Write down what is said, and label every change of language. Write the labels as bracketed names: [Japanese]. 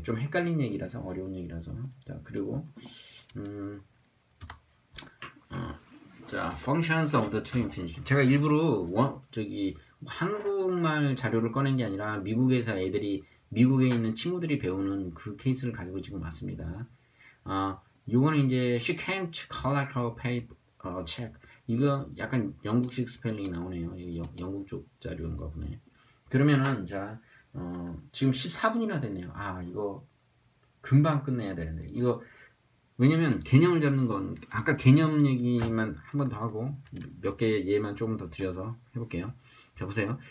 [Korean] 좀 헷갈린 얘기라서 어려운 얘기라서 자 그리고 자, [English] functions of the two infinitive. [Korean] 제가 일부러 저기 한국말 자료를 꺼낸 게 아니라 미국에서 애들이 미국에 있는 친구들이 배우는 그 케이스를 가지고 지금 왔습니다. 요거는 이제 [English] she came to collect her paper check. [Korean] 이거 약간 영국식 스펠링이 나오네요. 영국 쪽 자료인 거 보네. 그러면은 자, 지금 14분이나 됐네요. 아, 이거 금방 끝내야 되는데 이거. 왜냐면 개념을 잡는 건 아까 개념 얘기만 한번더 하고 몇개 예만 조금 더 들여서 해볼게요. 자 보세요.